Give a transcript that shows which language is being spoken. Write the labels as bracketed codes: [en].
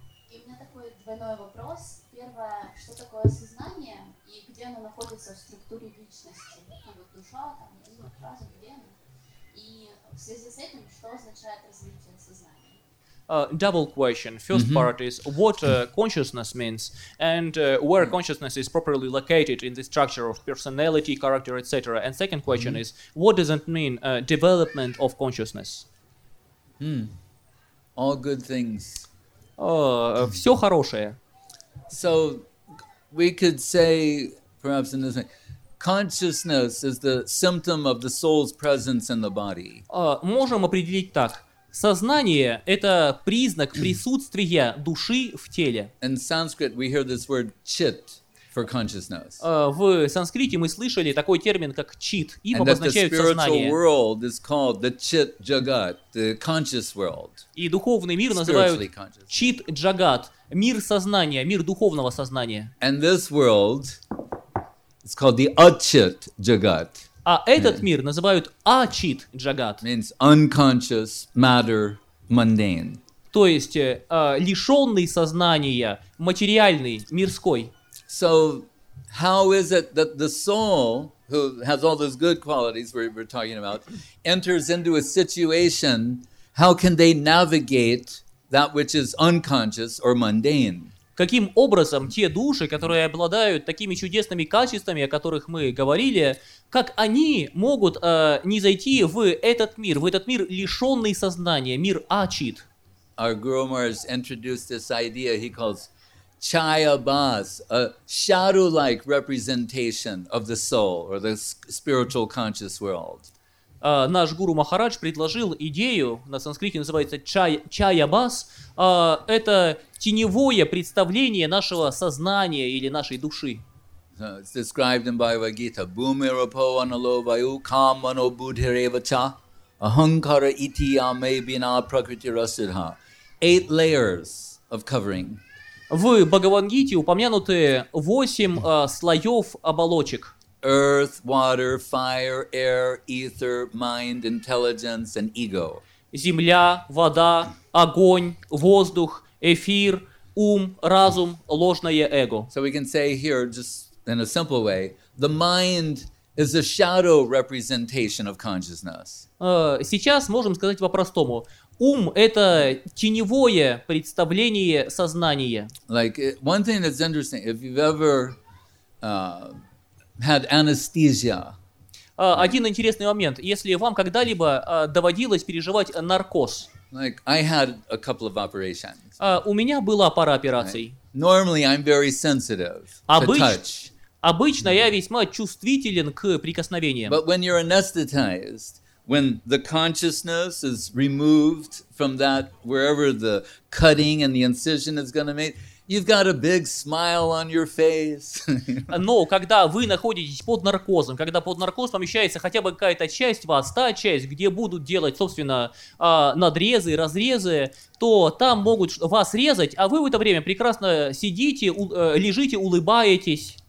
[ru] И у меня такой двойной вопрос. Первое, что такое сознание? И где оно находится в структуре личности? Ну, вот душа, там, язык, разум, где оно? И в связи с этим, что означает развитие сознания? [en] Double question. First mm-hmm. part is what consciousness means and where consciousness is properly located in the structure of personality, character, etc. And second question mm-hmm. is what does it mean, development of consciousness? Mm. All good things. [ru] Все хорошее. [en] So... We could say, perhaps in this way, consciousness is the symptom of the soul's presence in the body. [ru] Можем определить так. Сознание – это признак присутствия души в теле. [en] In Sanskrit, we hear this word chit for consciousness. [ru] В санскрите мы слышали такой термин, как чит. Им [en] and [ru] обозначают [en] that the spiritual [ru] сознание. [en] World is called the chit jagat, the conscious world. [ru] И духовный мир называют чит джагат. Мир сознания, мир духовного сознания. [en] And this world is called the achit jagat. [ru] А этот мир называют achit jagat. [en] Means unconscious matter, mundane. [ru] То есть лишенный сознания, материальный, мирской. [en] So how is it that the soul, who has all those good qualities we're talking about, enters into a situation, how can they navigate that which is unconscious or mundane. [ru] Каким образом те души, которые обладают такими чудесными качествами, о которых мы говорили, как они могут не зайти в этот мир лишенный сознания, мир ачит? [en] Our Guru Maharaj introduced this idea he calls chayabas, a shadow-like representation of the soul or the spiritual conscious world. [ru] Наш гуру Махарадж предложил идею, на санскрите называется чаябас, это теневое представление нашего сознания или нашей души. [en] It's described in Bhagavad-gita. [sa] Бумирапо аналовайу камано будхиревача ахангкара ити аме бина пракрити расидха. [en] Eight layers of covering. [ru] В Бхагавад-гите упомянуты 8 слоев оболочек. [en] Earth, water, fire, air, ether, mind, intelligence, and ego. [ru] Земля, вода, огонь, воздух, эфир, ум, разум, ложное эго. [en] So we can say here, just in a simple way, the mind is a shadow representation of consciousness. [ru] Сейчас можем сказать по-простому. Ум – это теневое представление сознания. [en] Like, one thing that's interesting, if you've ever... had anesthesia. [ru] Один интересный момент. Если вам когда-либо доводилось переживать наркоз. [en] Like I had a couple of operations. [ru] У меня была пара операций. [en] Right. Normally I'm very sensitive to touch. [ru] Обычно я весьма чувствителен к прикосновениям. [en] But when you're anesthetized, when the consciousness is removed from that wherever the cutting and the incision is going to make, you've got a big smile on your face. [ru] Но когда вы находитесь под наркозом, когда под наркоз помещается хотя бы какая-то часть вас, та часть, где будут делать, собственно, надрезы, разрезы, то там могут вас резать, а вы в это время прекрасно сидите, лежите, улыбаетесь.